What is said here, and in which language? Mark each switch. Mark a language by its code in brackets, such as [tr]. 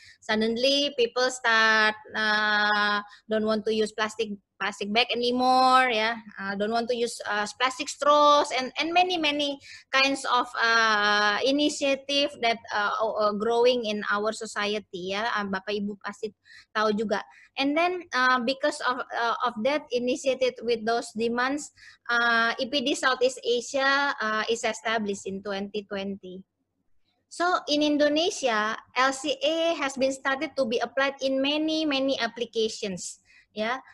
[en] Suddenly people start don't want to use plastic bag anymore, yeah, don't want to use plastic straws, and many kinds of initiative that growing in our society, yeah. [id] Bapak Ibu pasti tahu juga. [en] And then because of that initiated with those demands, EPD Southeast Asia is established in 2020. So in Indonesia, LCA has been started to be applied in many applications, yeah.